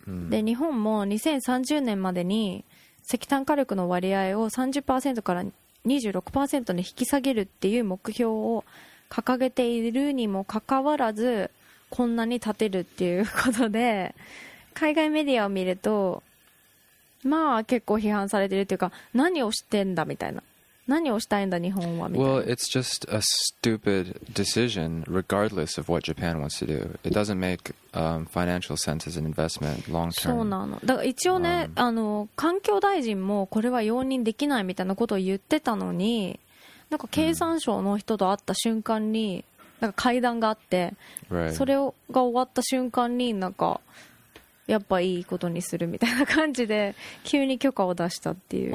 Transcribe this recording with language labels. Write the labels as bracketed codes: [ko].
[ja] で、日本も2030年までに石炭火力の割合を 30% から 26% に引き下げるっていう目標を掲げているにもかかわらず、こんなに立てるっていうことで、海外メディアを見るとまあ結構批判されてるっていうか、何をしてんだみたいな、何をしたいんだ日本はみたいな。 [en] Well, it's just a stupid decision regardless of what Japan wants to do. It doesn't make、financial sense as an investment long term. [ja] そうなの。だから一応ね、環境大臣もこれは容認できないみたいなことを言ってたのに、なんか経産省の人と会った瞬間に、なんか会談があって、 [en] right. [ja] それが終わった瞬間に、なんかやっぱいいことにするみたいな感じで急に許可を出したっていう。